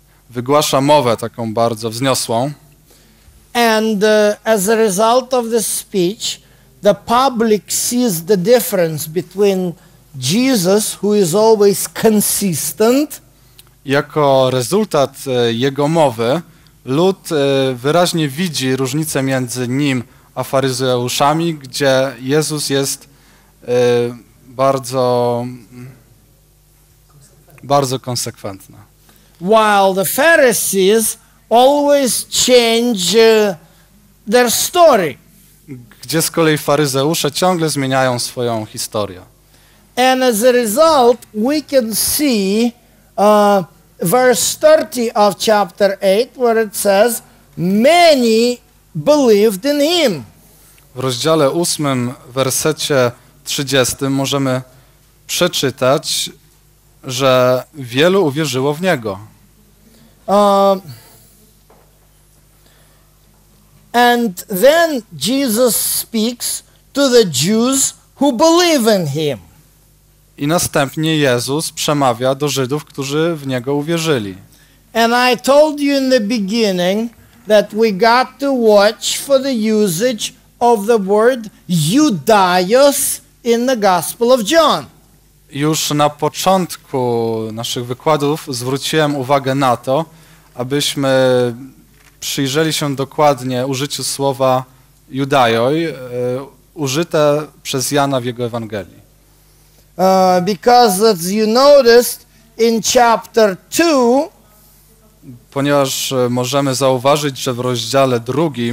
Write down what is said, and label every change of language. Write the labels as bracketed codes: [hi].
[pl] wygłasza mowę taką bardzo wzniosłą. [en] And as a result of this speech, the public sees the difference between Jesus, who is always consistent. [pl] Jako rezultat jego mowy, lud wyraźnie widzi różnicę między nim a faryzeuszami, gdzie Jezus jest bardzo konsekwentna. [en] While the Pharisees always change their story. [pl] Gdzie z kolei faryzeusze ciągle zmieniają swoją historię. [en] And as a result, we can see verse 30 of chapter 8, where it says, many believed in him. [pl] W rozdziale 8, wersecie 30 możemy przeczytać, że wielu uwierzyło w Niego. [en] And then Jesus speaks to the Jews who believe in him. [pl] I następnie Jezus przemawia do Żydów, którzy w Niego uwierzyli. [en] And I told you in the beginning that we got to watch for the usage of the word Judaios in the Gospel of John. [pl] Już na początku naszych wykładów zwróciłem uwagę na to, abyśmy przyjrzeli się dokładnie użyciu słowa judajoj, użyte przez Jana w jego Ewangelii. [en] Because as you noticed in chapter 2, [pl] ponieważ możemy zauważyć, że w rozdziale 2,